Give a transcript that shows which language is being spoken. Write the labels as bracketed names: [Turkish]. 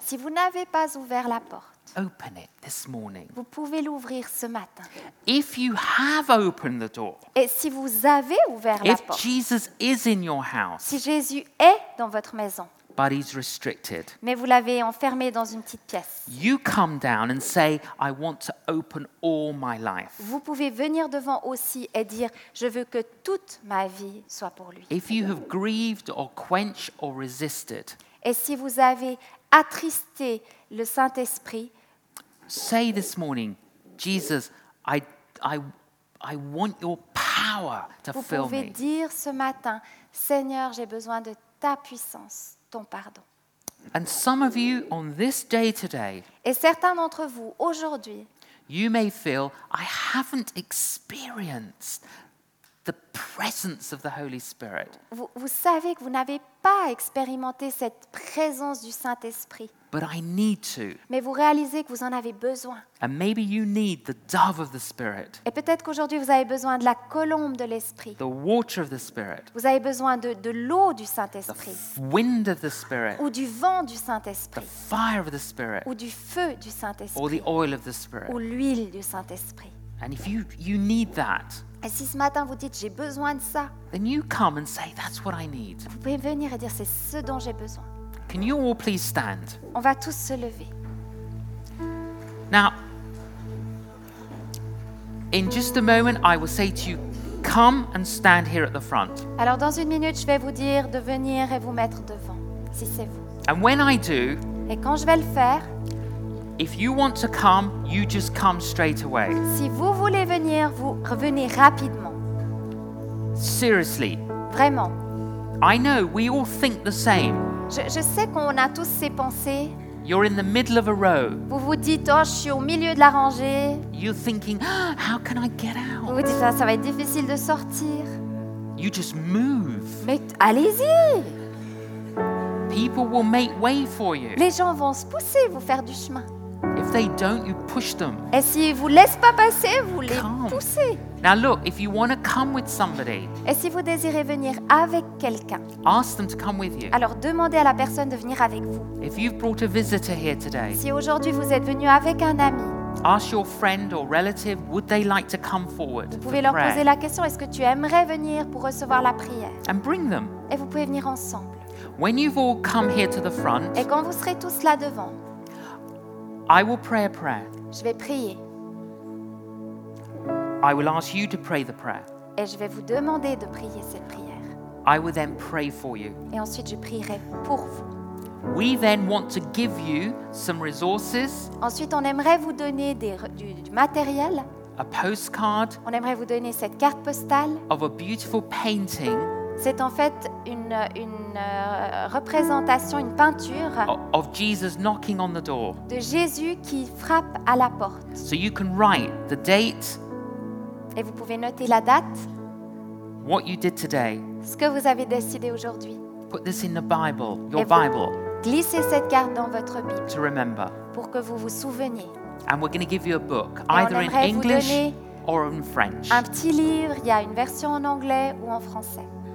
[French] Si vous n'avez pas ouvert la porte. [English] Open it this morning. [French] Vous pouvez l'ouvrir ce matin. [English] If you have opened the door. [French] Et si vous avez ouvert la porte. [English] If Jesus is in your house. [French] Si Jésus est dans votre maison. [English] But he's restricted. [French] Mais vous l'avez enfermé dans une petite pièce. [English] You come down and say, I want to open all my life. [French] Vous pouvez venir devant aussi et dire, je veux que toute ma vie soit pour lui. [English] If you have grieved or quenched or resisted. [French] Et si vous avez attristé le Saint-Esprit. [English] Say this morning, Jesus, I want your power to fill me. [French] Vous pouvez dire ce matin, Seigneur, j'ai besoin de ta puissance. Ton pardon. [English] And some of you on this day today. [French] Et certains d'entre vous aujourd'hui. [English] you may feel, I haven't experienced the presence of the Holy Spirit. [French] Vous savez que vous n'avez pas expérimenté cette présence du Saint-Esprit. [English] But I need to. [French] Mais vous réalisez que vous en avez besoin. [English] And maybe you need the dove of the Spirit. [French] Et peut-être qu'aujourd'hui vous avez besoin de la colombe de l'Esprit. [English] The water of the Spirit. [French] Vous avez besoin de l'eau du Saint-Esprit. [English] The wind of the Spirit. [French] Ou du vent du Saint-Esprit. [English] The fire of the Spirit. [French] Ou du feu du Saint-Esprit. [English] Or the oil of the Spirit. [French] Ou l'huile du Saint-Esprit. [English] And if you need that. [French] Et si ce matin vous dites j'ai besoin de ça, [English] then you come and say, that's what I need. [French] Vous pouvez venir et dire c'est ce dont j'ai besoin. [English] Can you all please stand? [French] On va tous se lever. [English] Now, in just a moment, I will say to you, come and stand here at the front. [French] Alors dans une minute, je vais vous dire de venir et vous mettre devant, si c'est vous. [English] And when I do, [French] et quand je vais le faire. [English] If you want to come, you just come straight away. [French] Si vous voulez venir, vous revenez rapidement. [English] Seriously. [French] Vraiment. [English] I know we all think the same. [French] Je sais qu'on a tous ces pensées. [English] You're in the middle of a row. [French] Vous vous dites, oh, je suis au milieu de la rangée. [English] You're thinking, oh, how can I get out? [French] Vous vous dites, ah, ça va être difficile de sortir. [English] You just move. [French] Mais allez-y. [English] People will make way for you. [French] Les gens vont se pousser, vous faire du chemin. [English] If they don't, you push them. [French] Et si ils vous laissent pas passer, vous les poussez. [English] Now look, if you want to come with somebody. [French] Et si vous désirez venir avec quelqu'un. [English] Ask them to come with you. [French] Alors demandez à la personne de venir avec vous. [English] If you've brought a visitor here today. [French] Si aujourd'hui vous êtes venu avec un ami. [English] Ask your friend or relative, would they like to come forward? [French] Vous pouvez leur poser la question, est-ce que tu aimerais venir pour recevoir la prière? [English] And bring them. [French] Et vous pouvez venir ensemble. [English] When you've all come here to the front, [French] et quand vous serez tous là devant, [English] I will pray a prayer. [French] Je vais prier. [English] I will ask you to pray the prayer. [French] Et je vais vous demander de prier cette prière. [English] I will then pray for you. [French] Et ensuite je prierai pour vous. [English] We then want to give you some resources. [French] Ensuite on aimerait vous donner du matériel. [English] A postcard. [French] On aimerait vous donner cette carte postale. [English] Of a beautiful painting. [French] C'est en fait une représentation, une peinture [English] of Jesus knocking on the door. [French] De Jésus qui frappe à la porte. [English] So you can write the date. [French] Et vous pouvez noter la date. [English] What you did today. [French] Ce que vous avez décidé aujourd'hui. [English] Put this in the Bible, your [French] Et vous [English] Bible. [French] Glissez cette carte dans votre Bible. [English] To remember. [French] Pour que vous vous souveniez. [English] And we're going to give you a book, either in English or in French. [French] Un petit livre, il y a une version en anglais ou en français.